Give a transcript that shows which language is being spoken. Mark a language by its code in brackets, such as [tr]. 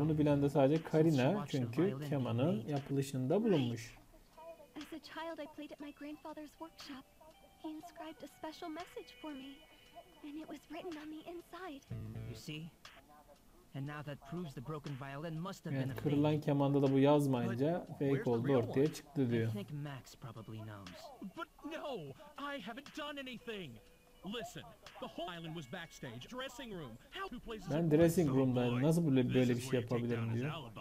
[tr] Bunu bilen de sadece Karina. Çünkü kemanın yapılışında bulunmuş. [en] As a child I played at my grandfather's workshop. He inscribed a special message for me. And it was written on the inside. You see? And now that proves the broken violin must have been a fake. [tr] Kırılan kemanda da bu yazmayınca fake oldu ortaya çıktı diyor. [en] I think Max probably knows. But no, I haven't done anything. Listen, the whole island was backstage, dressing room. How two places? [tr] Ben dressing room'dayım. Nasıl böyle bir şey yapabilirim diyor.